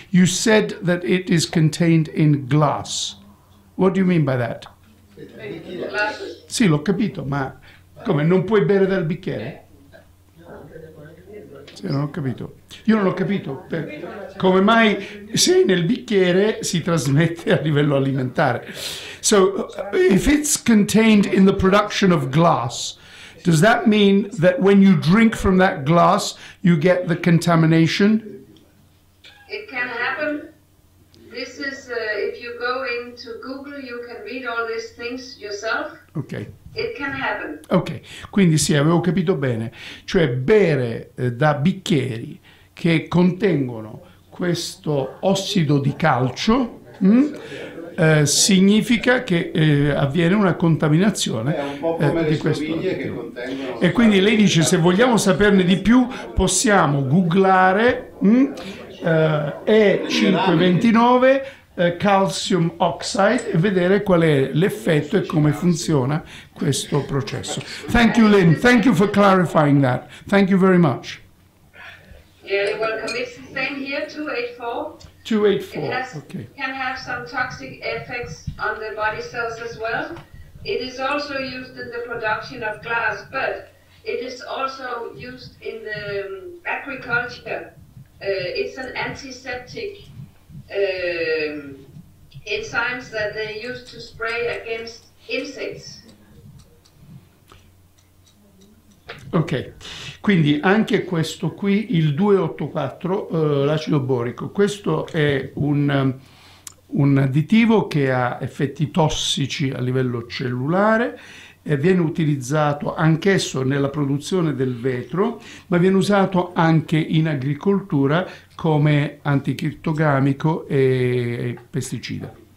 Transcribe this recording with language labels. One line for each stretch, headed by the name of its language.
English: You said that it is contained in glass. What do you mean by that? Glasses.
Italian: Sì, l'ho capito, ma come, non puoi bere dal bicchiere? Sì, non ho capito. Io non ho capito come mai se nel bicchiere si trasmette a livello alimentare.
English: So, if it's contained in the production of glass, Does that mean that when you drink from that glass, you get the contamination? It can happen. This is, if you go into Google, you can read all these things yourself. Okay. It can happen.
Italian: Okay. Quindi sì, avevo capito bene. Cioè bere da bicchieri che contengono questo ossido di calcio, significa che avviene una contaminazione di questo. E quindi lei dice, se vogliamo saperne di più, possiamo googlare E529 calcium oxide e vedere qual è l'effetto e come funziona questo processo.
English: Thank you, Lynn. Thank you for clarifying that. Thank you very much. You're welcome. It's the same here, 284. 284, it can have some toxic effects on the body cells as well. It is also used in the production of glass, but it is also used in the agriculture. It's an antiseptic enzymes that they use to spray against insects.
Italian: Ok, quindi anche questo qui, il 284, l'acido borico, questo è un additivo che ha effetti tossici a livello cellulare e viene utilizzato anch'esso nella produzione del vetro, ma viene usato anche in agricoltura come anticrittogamico e pesticida.